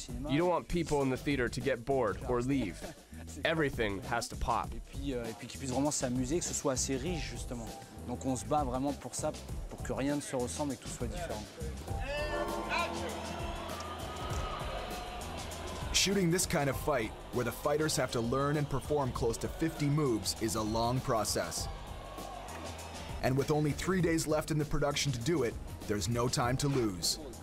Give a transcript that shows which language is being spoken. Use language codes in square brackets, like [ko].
[en] You don't want people in the theater to get bored or leave. Everything has to pop. [fr] Et puis qu'ils puissent vraiment s'amuser, que ce soit assez riche justement. Donc on se bat vraiment pour ça, pour que rien ne se ressemble et que tout soit différent. [en] Shooting this kind of fight, where the fighters have to learn and perform close to 50 moves, is a long process. And with only 3 days left in the production to do it, there's no time to lose.